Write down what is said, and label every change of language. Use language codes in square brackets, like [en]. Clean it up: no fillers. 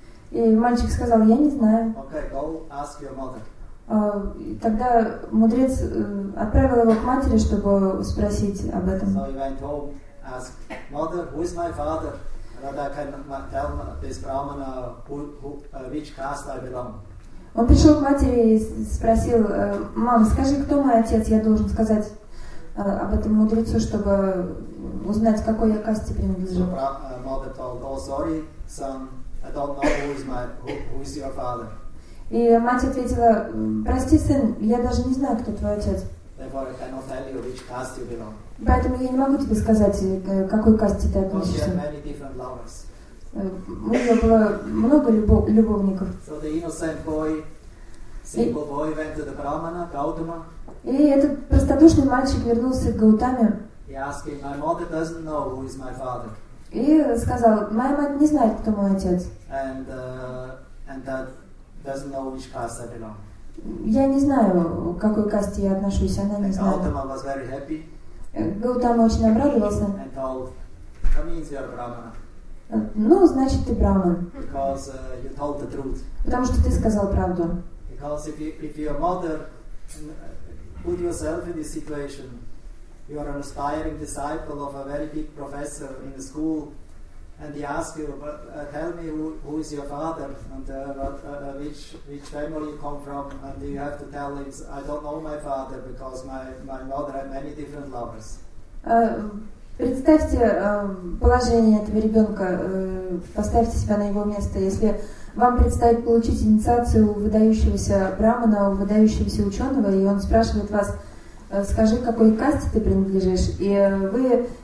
[ru] И мальчик сказал: «Я не знаю». [en] Okay, go ask your mother. [ru] Тогда мудрец отправил его к матери, чтобы спросить об этом. [en] So he went home, asked, mother, who is my father? And I can tell this brahmana which caste I belong. [ru] Он пришел к матери и спросил: «Мама, скажи, кто мой отец? Я должен сказать об этом мудрецу, чтобы узнать, какой я касте принадлежу». [en] So mother told, oh, sorry, son. I don't know who is your father. [ru] И мать ответила: «Прости, сын, я даже не знаю, кто твой отец». [en] Therefore, I cannot tell you which caste you belong. [ru] Поэтому я не могу тебе сказать, к какой касте ты относишься. [en] Because you have many different lovers. [ru] У нее было много любовников. [en] So the innocent boy, simple boy, went to the brahmana, Gautama. [ru] И этот простодушный мальчик вернулся к Гаутаме. [en] He asked him, my mother doesn't know who is my father. [ru] И сказал: «Моя мать не знает, кто мой отец. [en] And that doesn't know which caste I belong. [ru] Я не знаю, к какой касте я отношусь, она не знает». [en] Gautama was very happy. [ru] Гаутама очень обрадовался. [en] And told, that means you are brahmana. [ru] Ну, значит, ты брахман. [en] Because you told the truth. [ru] Потому что ты сказал правду. [en] Because if your mother put yourself in this situation, you are an aspiring disciple of a very big professor in the school, and he asks you, but tell me who is your father and which family you come from, and you have to tell him, I don't know my father because my mother had many different lovers. [ru] Представьте положение этого ребенка, поставьте себя на его место, если вам предстоит получить инициацию у выдающегося брахмана, у выдающегося ученого, и он спрашивает вас: скажи, к какой касте ты принадлежишь? И вы